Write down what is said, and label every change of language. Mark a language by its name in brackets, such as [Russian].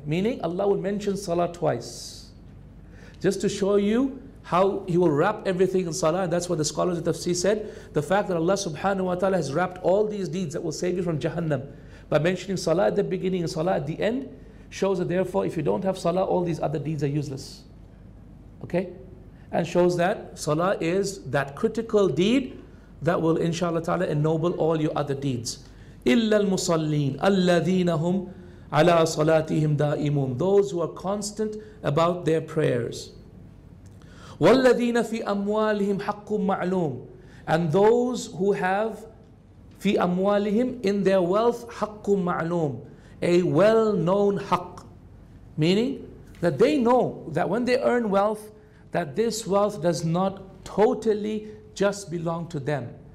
[English] Meaning, Allah will mention salah twice. Just to show you how He will wrap everything in salah, and that's what the scholars of tafsir said, the fact that Allah subhanahu wa ta'ala has wrapped all these deeds that will save you from Jahannam by mentioning salah at the beginning and salah at the end, shows that therefore if you don't have salah, all these other deeds are useless. Okay? And shows that salah is that critical deed that will inshallah ta'ala ennoble all your other deeds. [Arabic] إلا المصلين الذين هم على صلاتهم دائمون. [English] Those who are constant about their prayers. [Arabic] والذين في أموالهم حق معلوم. [English] And those who have [Arabic] في أموالهم [English] in their wealth [Arabic] حق معلوم. [English] A well-known حق. Meaning that they know that when they earn wealth, that this wealth does not totally just belong to them.